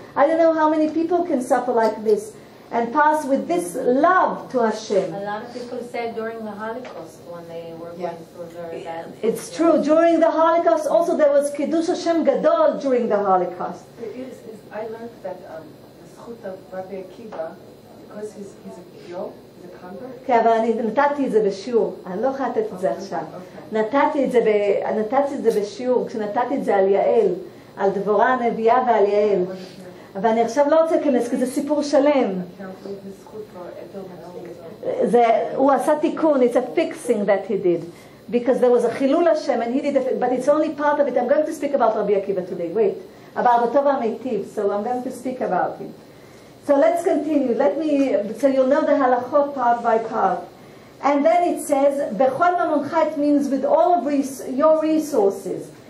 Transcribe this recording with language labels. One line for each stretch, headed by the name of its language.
English: I don't know how many people can suffer like this and pass with this love to Hashem. A lot of people said during the Holocaust when they were going through very bad. It's true. During the Holocaust also there was Kiddush Hashem Gadol during the Holocaust. I learned that the Zchut of Rabbi Akiva, because he's a Yom,
Hebrew: כן, אבל אני נתתי את זה בשיעור. אני לא יכולה לתת את זה עכשיו. נתתי את זה בשיעור, כשנתתי את זה על יעל, על דבורה הנביאה ועל יעל. אבל אני עכשיו לא רוצה להיכנס, כי זה סיפור שלם. הוא עשה תיקון,
English: it's a fixing that he did. Because there was a חילול השם, and he did a fixing, but it's only part of it. I'm going to speak about רבי עקיבא today, wait. About הטוב והמיטיב, so I'm going to speak about him. So let's continue. So you'll know the halachot part by part. And then it says, Bechol mamoncha, it means with all of your resources.